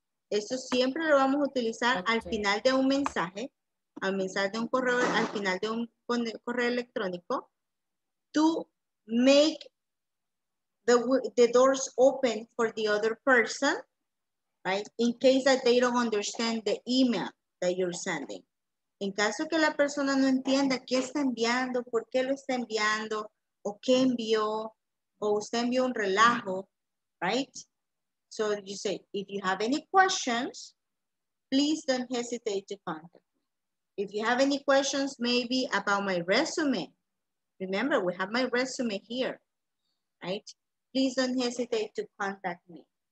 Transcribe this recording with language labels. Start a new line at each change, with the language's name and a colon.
Spanish: Esto siempre lo vamos a utilizar okay. Al final de un mensaje, al mensaje de un correo, al final de un correo electrónico,
English: to make the doors open for the other person, right? In case that they don't understand the email that you're sending.
Spanish: En caso que la persona no entienda qué está enviando, por qué lo está enviando, o qué envió, o usted envió un relajo, right?
English: So you say, if you have any questions, please don't hesitate to contact me. If you have any questions, maybe about my resume. Remember, we have my resume here, right? Please don't hesitate to contact me.